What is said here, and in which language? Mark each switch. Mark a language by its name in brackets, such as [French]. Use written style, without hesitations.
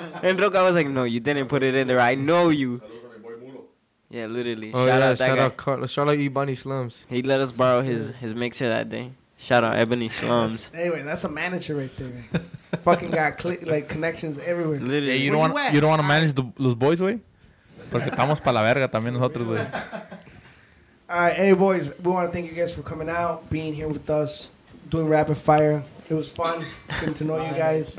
[English] And Roca was like, no, you didn't put it in there, I know you. Yeah, literally. Oh, shout out Ebony Slums. He let us borrow his mixer that day. Shout out Ebony Slums. Anyway, that's a manager right there, man. Fucking got, like, connections everywhere. Literally. Yeah, you don't want to manage those boys, way? [Spanish] Porque estamos para la verga también nosotros, güey. [English] All right, hey, boys. We want to thank you guys for coming out, being here with us, doing Rapid Fire. It was fun getting to know you guys.